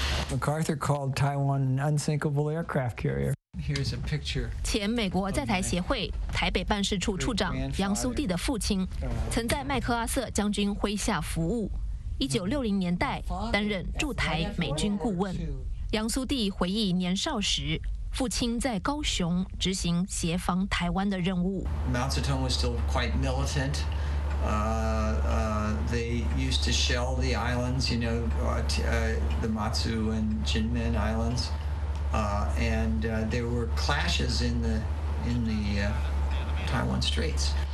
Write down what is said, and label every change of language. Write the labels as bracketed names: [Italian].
[English] MacArthur called Taiwan an unsinkable aircraft carrier. Here's a picture. [Chinese] 前美国在台协会台北办事处处长杨苏迪的父亲，曾在麦克阿瑟将军麾下服务，1960年代担任驻台美军顾问。杨苏迪回忆年少时，父亲在高雄执行协防台湾的任务。 [English] Mao Zedong was still quite militant. They used to shell the islands, you know, the Matsu and Jinmen islands. There were clashes in the Taiwan Straits.